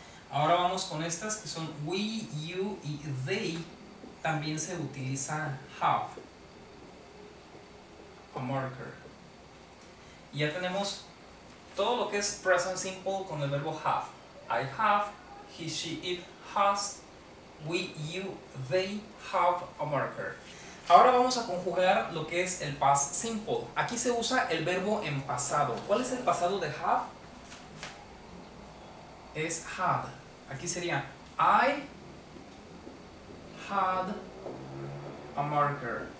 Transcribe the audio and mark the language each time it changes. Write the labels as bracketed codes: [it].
[es] Ahora vamos con estas que son we, you y they. También se utiliza [en] have a marker. [es] Ya tenemos todo lo que es present simple con el verbo have. [en] I have, he, she, it has, we, you, they have a marker. [es] Ahora vamos a conjugar lo que es el past simple. Aquí se usa el verbo en pasado. ¿Cuál es el pasado de have? Es had. Aquí sería, [en] I had a marker.